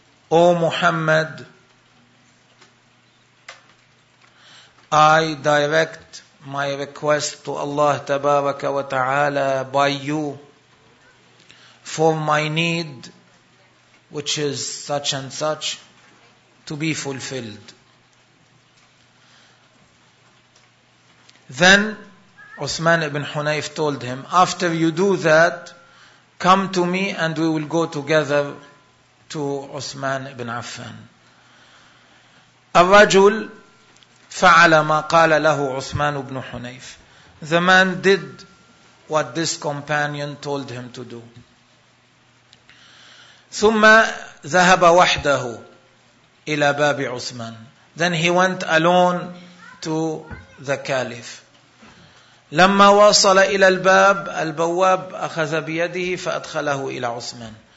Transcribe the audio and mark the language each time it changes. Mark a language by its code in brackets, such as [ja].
[en] O Muhammad, I direct my request to Allah Tabaraka wa Ta'ala by you for my need, which is such and such, to be fulfilled. Then Uthman ibn Hunayf told him, after you do that, come to me and we will go together to Uthman ibn Affan. [ar] Ar-Rajul فعل ما قال له عثمان بن حنيف. [en] The man did what this companion told him to do. [ar] ثم ذهب وحده إلى باب عثمان. [en] Then he went alone to the caliph. [ar] لما وصل إلى الباب، البواب أخذ بيده فأدخله إلى عثمان.